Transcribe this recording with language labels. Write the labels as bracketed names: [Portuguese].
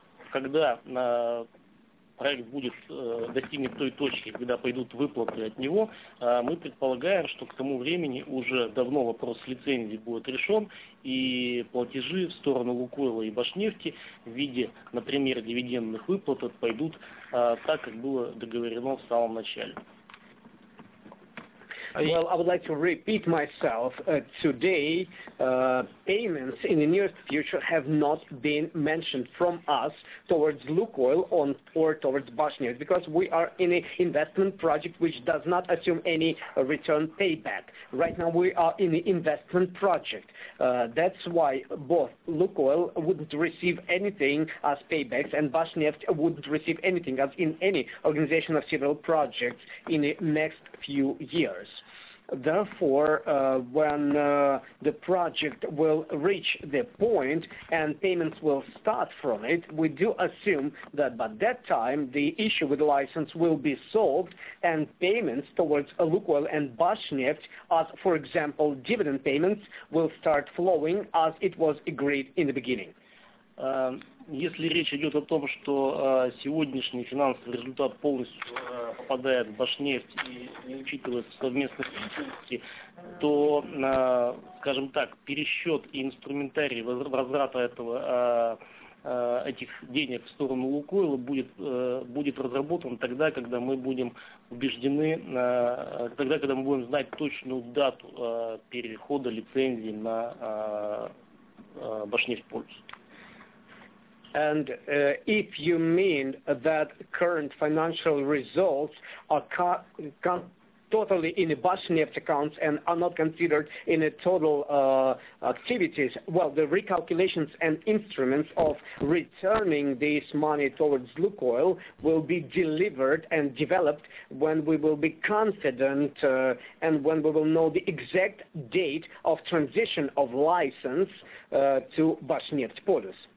[Russian] Когда проект будет достигнет той точки, когда пойдут выплаты от него, мы предполагаем, что к тому времени уже давно вопрос с лицензией будет решен, и платежи в сторону Лукойла и Башнефти в виде, например, дивидендных выплат пойдут так, как было договорено в самом начале. [English] Well, I would like to repeat myself. Today, payments in the near future have not been mentioned from us towards Lukoil on or towards Bashneft, because we are in an investment project which does not assume any return payback. Right now, we are in an investment project. That's why both Lukoil wouldn't receive anything as paybacks, and Bashneft wouldn't receive anything as in any organization of civil projects in the next few years. Therefore, when the project will reach the point and payments will start from it, we do assume that by that time the issue with the license will be solved and payments towards Lukoil and Bashneft, as for example dividend payments, will start flowing as it was agreed in the beginning. [Russian] Если речь идет о том, что сегодняшний финансовый результат полностью попадает в Башнефть и не учитывается в совместных деятельности, то, скажем так, пересчет и инструментарий возврата этого, этих денег в сторону Лукойла будет, будет разработан тогда, когда мы будем убеждены, тогда, когда мы будем знать точную дату перехода лицензии на Башнефть в пользу. [English] And if you mean that current financial results are totally in the Bashneft accounts and are not considered in the total activities, well, the recalculations and instruments of returning this money towards Lukoil will be delivered and developed when we will be confident and when we will know the exact date of transition of license to Bashneft Polis.